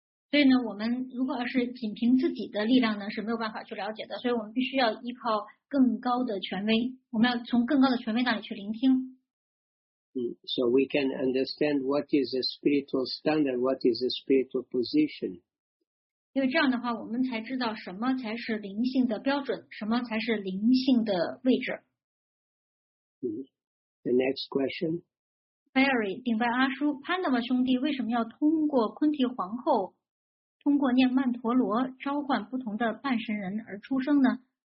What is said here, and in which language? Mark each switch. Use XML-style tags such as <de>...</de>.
<zh>所以呢，我们如果要是仅凭自己的力量呢，是没有办法去了解的，所以我们必须要依靠。更高的权威，我们要从更高的权威那里去聆听。</zh> <en>So we can understand what is a spiritual standard, what is a spiritual position.</en> <zh>因为这样的话，我们才知道什么才是灵性的标准，什么才是灵性的位置。</zh> <en>The next question.</en> <zh>Barry, 顶白阿叔，潘德玛兄弟为什么要通过昆提皇后，通过念曼陀罗，召唤不同的半神人而出生呢？</zh>